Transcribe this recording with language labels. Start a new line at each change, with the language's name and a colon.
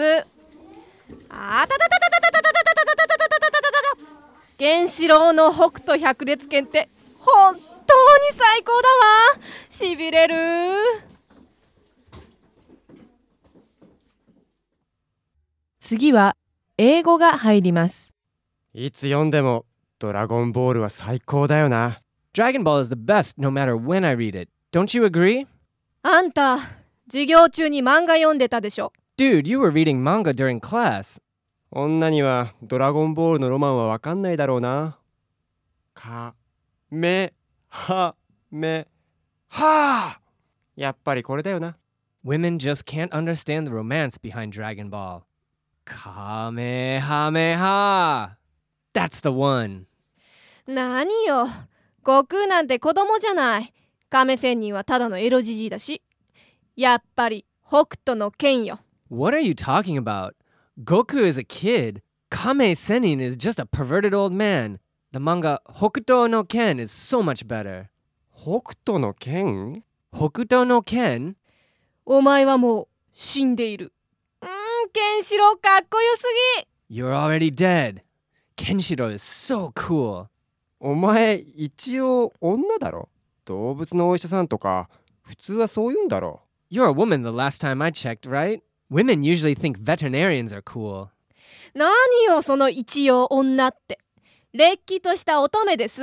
Japanese: あーたたたたたたたたたたたたたたたたたたたたた、ケンシロウの北斗百裂拳って本当に最高だわ。しびれる。次は英語が入ります。いつ読んでもドラゴンボールは最高だよな。
English: Dragon Ball is the best no matter when I read it. Don't you agree?
Japanese: あんた、授業中に漫画読んでたでしょ。
English: Dude, you were reading manga during class.
Japanese: 女にはドラゴンボールのロマンは分かんないだろうな。か、め、は、め、はぁ！やっぱりこれだよな。
English: Women just can't understand the romance behind Dragon Ball.
Japanese: かめはめはぁ！
English: That's the one.
Japanese: 何よ、悟空なんて子供じゃない。亀仙人はただのエロジジイだし。やっぱり北斗の剣よ。
English: What are you talking about? Goku is a kid. 亀仙人 is just a perverted old man. The manga 北斗の剣 is so much better.
Japanese: 北斗の剣？北斗の剣？お前はもう死んでいる。ケンシロウかっこよすぎ。
English: You're already dead. ケンシロウ is so cool.
Japanese: お前一応女だろ。動物のお医者さんとか普通はそう言うんだろ。
English: You're a woman the last time I checked, right? Women usually think veterinarians are cool.
Japanese: 何よその一応女って、れっきとした乙女です。